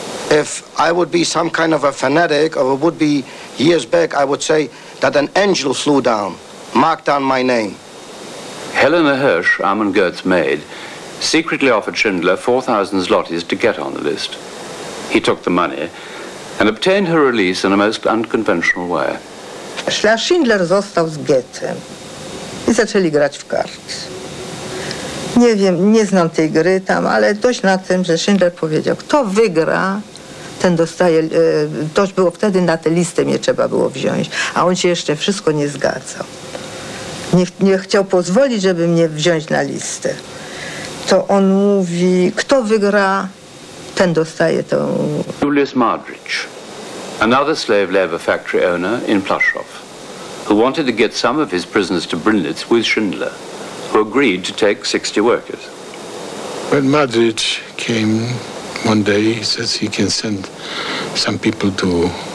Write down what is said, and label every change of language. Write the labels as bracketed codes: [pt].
[en] If I would be some kind of a fanatic, or it would be years back, I would say that an angel flew down, marked down my name. Helena Hirsch, Armin Goethe's maid, secretly offered Schindler 4,000 zlotys to get on the list. He took the money and obtained her release in a most unconventional way. [pl] Schindler został z getta i zaczęli grać w karty. Nie wiem, nie znam tej gry tam, ale dość na tym, że Schindler powiedział, kto wygra, ten dostaje, toż było wtedy, na tę listę mnie trzeba było wziąć, a on się jeszcze wszystko nie zgadzał. Nie chciał pozwolić, żeby mnie wziąć na listę. To on mówi, kto wygra, ten dostaje tą... [en] Julius Madrich, another slave labor factory owner in Plushoff, who wanted to get some of his prisoners to Brinlitz with Schindler, who agreed to take 60 workers. When Madrich came one day, he says he can send some people to